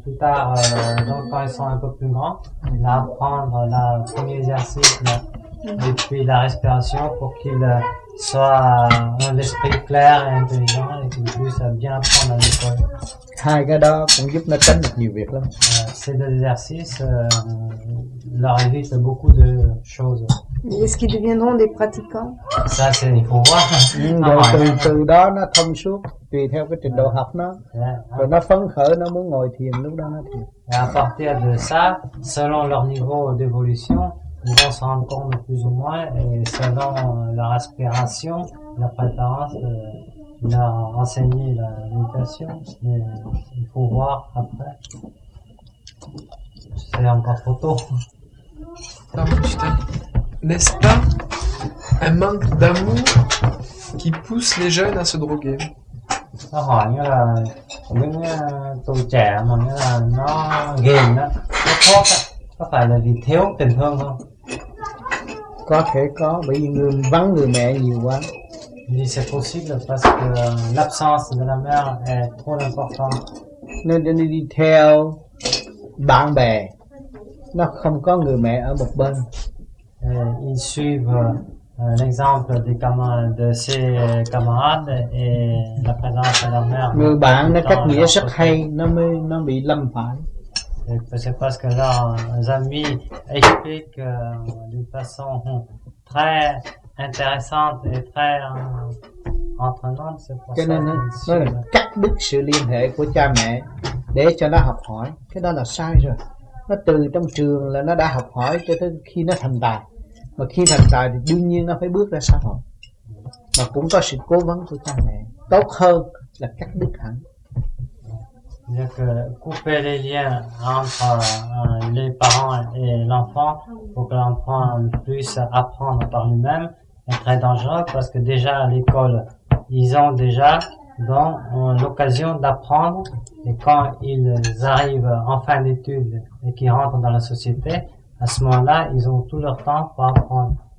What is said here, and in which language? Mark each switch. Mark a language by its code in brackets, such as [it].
[fr] plus tard, donc quand ils sont un peu plus grands, il va apprendre le premier exercice là, et puis la respiration pour qu'il soit un esprit clair et intelligent et qu'il puisse bien apprendre à l'école. [vi] Hai cái đó cũng giúp nó tránh được nhiều việc lắm. [fr] Ces deux exercices leur évitent beaucoup de choses. Mais est-ce qu'ils deviendront des pratiquants? Ça, c'est il faut voir. [vi] Từ đó nó thông suốt, tùy theo cái trình độ học nó. Rồi nó phấn khởi, nó muốn ngồi thiền, lúc đó nó thiền. [fr] À partir de ça, selon leur niveau d'évolution, ils vont se rendre compte de plus ou moins, et selon leur aspiration, leur préférence, il a enseigné la méditation, mais il faut voir après. C'est encore trop tôt. N'est-ce pas un manque d'amour qui pousse les jeunes à se droguer? [vi] Nó hỏi như là những tuổi trẻ mà như là nó ghiền đó, nó thuốc á, có phải là vì thiếu tình thương không? Có thể có, bởi vì người vắng người mẹ nhiều quá. [fr] Thì c'est possible parce que l'absence de la mère est trop importante. [vi] Nên nên đi theo bạn bè, nó không có người mẹ ở một bên. [fr] Ils suivent l'exemple de ses camarades et la présence de leur mère. [vi] Người bạn nó cách nghĩa rất hay, nó bị lâm phải. [fr] C'est parce que leurs amis expliquent d'une façon très intéressante et très entraînante. C'est pour ça qu'ils suivent. [vi] Cắt đứt sự liên hệ của cha mẹ để cho nó học hỏi, cái đó là sai rồi. Nó từ trong trường là nó đã học hỏi cho tới khi nó thành tài. Mà khi thành tài thì đương nhiên nó phải bước ra xã hội, mà cũng có sự cố vấn của cha mẹ, tốt hơn là cắt đứt hẳn. [fr] couper les liens entre les parents et l'enfant pour que l'enfant puisse apprendre par lui-même est très dangereux parce que déjà à l'école, ils ont déjà donc l'occasion d'apprendre et quand ils arrivent en fin d'études et qu'ils rentrent dans la société, à ce moment-là, ils ont tout leur temps pour apprendre.